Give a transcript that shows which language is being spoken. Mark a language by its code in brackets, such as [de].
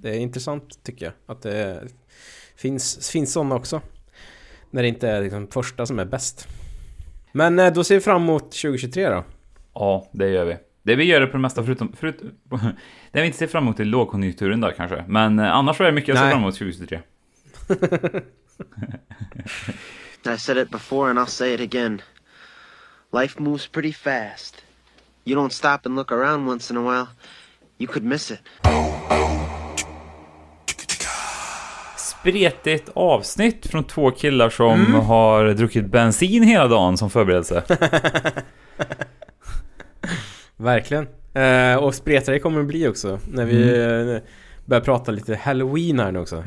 [sv] Det är intressant, tycker jag. Att det finns sådana också. När det inte är liksom första som är bäst. Men då ser vi fram emot 2023 då. Ja, det gör vi. Det vi gör det på det mesta förutom... det vi inte ser fram emot är lågkonjunkturen där, kanske. Men annars är det mycket jag ser fram emot 2023. [en] I said it before and I'll say it again. Life moves pretty fast. You don't stop and look around once in a while, you could miss it. [sv] Spretigt avsnitt från två killar som har druckit bensin hela dagen som förberedelse. Verkligen. Och spretare kommer det bli också när vi börja prata lite Halloween här nu också.